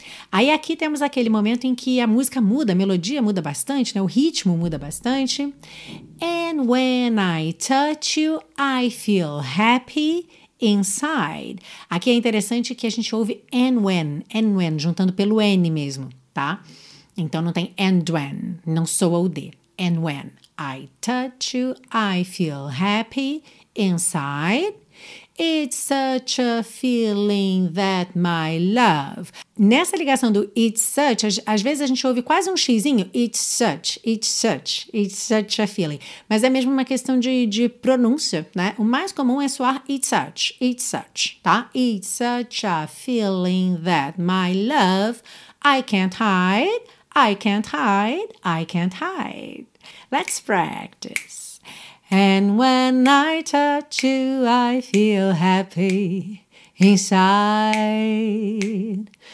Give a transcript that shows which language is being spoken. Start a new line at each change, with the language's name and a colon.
Portuguese: Aí aqui temos aquele momento em que a música muda, a melodia muda bastante, né? O ritmo muda bastante.
English: And when I touch you, I feel happy inside.
Portuguese: Aqui é interessante que a gente ouve
English: and when,
Portuguese: juntando pelo N mesmo, tá? Então não tem
English: and when,
Portuguese: não soa o D.
English: And when I touch you, I feel happy inside. It's such a feeling that my love.
Portuguese: Nessa ligação do
English: it's such,
Portuguese: às vezes a gente ouve quase um xizinho.
English: It's such, it's such, it's such a feeling.
Portuguese: Mas é mesmo uma questão de pronúncia, né? O mais comum é soar
English: it's such,
Portuguese: tá?
English: It's such a feeling that my love, I can't hide, I can't hide, I can't hide. Let's practice. And when I touch you, I feel happy inside.